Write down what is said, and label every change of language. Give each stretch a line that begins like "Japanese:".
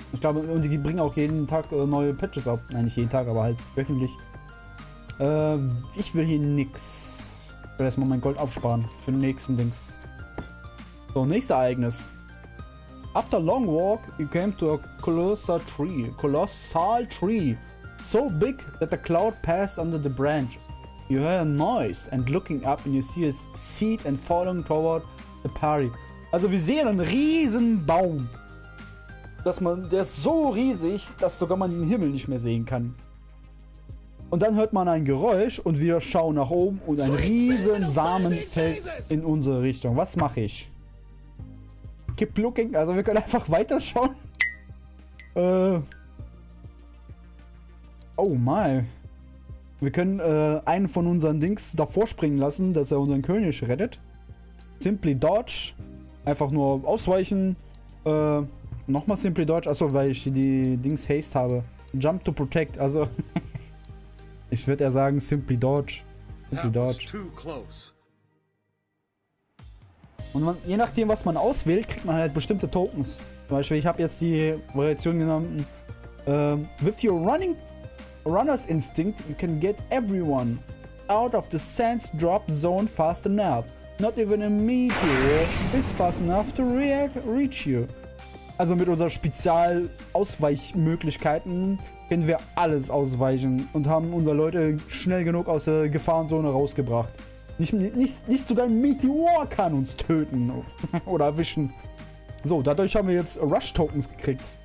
German: Ich glaube, und die bringen auch jeden Tag neue Patches ab. Nein, nicht jeden Tag, aber halt wöchentlich. Ich will hier nix. Ich will erstmal mein Gold aufsparen für den nächsten Dings. So, nächstes Ereignis.
English: After long walk, you came to a colossal tree. Colossal tree. So big that the cloud passed under the branch. You hear a noise and looking up and you see a seed and falling toward the party.
German: Also wir sehen einen riesen Baum. Der ist so riesig, dass sogar man den Himmel nicht mehr sehen kann. Und dann hört man ein Geräusch und wir schauen nach oben und ein riesen Samen fällt in unsere Richtung. Was mache ich?
English: Keep looking,
German: also wir können einfach weiterschauen.
English: Oh my.
German: Wir können einen von unseren Dings davor springen lassen, dass er unseren König rettet. Simply Dodge. Einfach nur ausweichen. Nochmal Simply Dodge. Achso, weil ich die Dings Haste habe. Jump to Protect. Also, ich würde eher sagen Simply Dodge. Simply Dodge.
English: Too close.
German: Und man, je nachdem, was man auswählt, kriegt man halt bestimmte Tokens. Zum Beispiel, ich habe jetzt die Variation genommen.
English: With your running... Runner's Instinct, you can get everyone out of the sand's drop zone fast enough. Not even a meteor is fast enough to reach you.
German: Also mit unseren Spezial-Ausweichmöglichkeiten können wir alles ausweichen und haben unsere Leute schnell genug aus der Gefahrenzone rausgebracht. Nicht sogar ein Meteor kann uns töten oder erwischen. So, dadurch haben wir jetzt Rush-Tokens gekriegt.